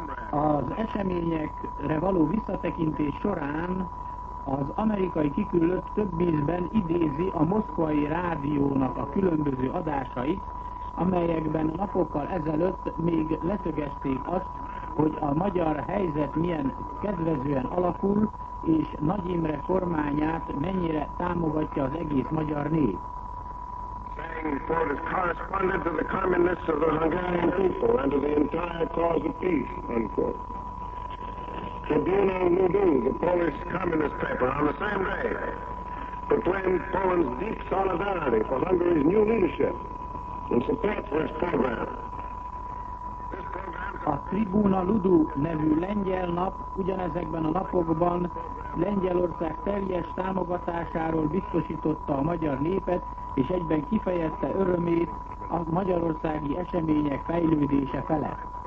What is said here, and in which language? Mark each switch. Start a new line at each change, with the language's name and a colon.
Hungarian: Az eseményekre való visszatekintés során az amerikai kiküldött több ízben idézi a moszkvai rádiónak a különböző adásait, amelyekben napokkal ezelőtt még leszögezték azt, hogy a magyar helyzet milyen kedvezően alakul, és Nagy Imre kormányát mennyire támogatja az egész magyar nép.
English: Saying for his correspondent to the communists of the Hungarian people and to the entire cause of peace, unquote. Tribuna Ludu, the Polish communist paper, on the same day, proclaimed Poland's deep solidarity for Hungary's new leadership and support for its program.
Hungarian: A Tribuna Ludu nevű lengyel nap ugyanezekben a napokban Lengyelország teljes támogatásáról biztosította a magyar népet, és egyben kifejezte örömét a magyarországi események fejlődése felett.